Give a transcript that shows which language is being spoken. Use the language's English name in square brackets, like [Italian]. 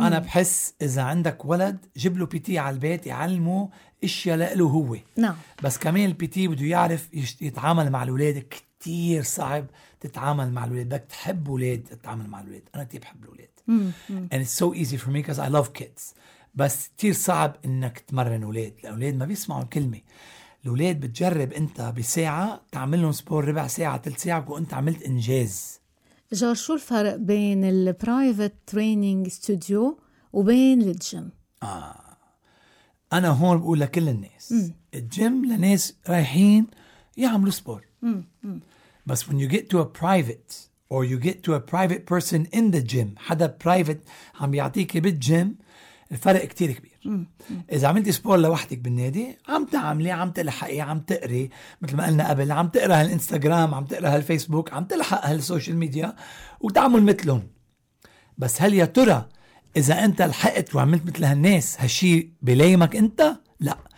[Arabic] أنا بحس إذا عندك ولد جيب له PT على البيت يعلمه أشياء لقله هو. نعم. بس كمان PT بده يعرف يتعامل مع الأولاد. كتير صعب تتعامل مع الأولاد. بدك تحب أولاد تتعامل مع الأولاد. أنا كتير بحب الأولاد. [English] And it's so easy for me because I love kids. [Arabic] بس كتير صعب انك تمرن اولاد. الاولاد ما بيسمعوا كلمه. الاولاد بتجرب انت بساعه تعمل لهم سبور ربع ساعه تلت ساعه وانت عملت انجاز. جار شو الفرق بين البرايفت تريننج ستوديو وبين الجيم؟ انا هون بقول لكل الناس الجيم لناس رايحين يعملوا سبور. [English] بس when you get to a private or you get to a private person in the gym، [Arabic] حدا برايفت عم يعطيك بالجيم، الفرق كتير كبير. إذا عملتي سبور لوحدك بالنادي عم تعملي، عم تلحقي، عم تقري مثل ما قلنا قبل، عم تقرأ هالإنستغرام، عم تقرأ هالفيسبوك، عم تلحق هالسوشيال ميديا وتعمل مثلهم. بس هل يا ترى إذا أنت لحقت وعملت مثل هالناس هالشي بلايمك أنت؟ لا.